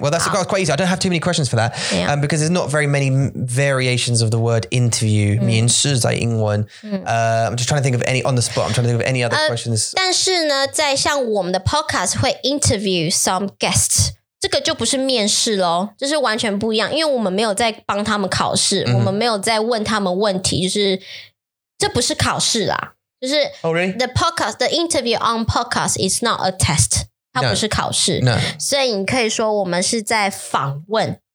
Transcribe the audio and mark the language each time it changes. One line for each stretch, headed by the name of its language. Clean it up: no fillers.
English: Well, that's quite easy. I don't have too many questions for that. Yeah. Because there's not very many variations of the word interview.
Chinese: 面试在英文.
English: I'm just trying to think of any, on the spot, I'm trying to think of any other questions.
Chinese: 但是呢, 在像我们的podcast 会
English: interview some guests.
Chinese: 这个就不是面试咯, 就是完全不一样, 因为我们没有在帮他们考试, 我们没有在问他们问题, 就是, 这不是考试啦。
English: Oh, really? The podcast, the interview on podcast is not a test.
Chinese: 它不是考试。
English: No.
Chinese: 所以你可以说我们是在访问。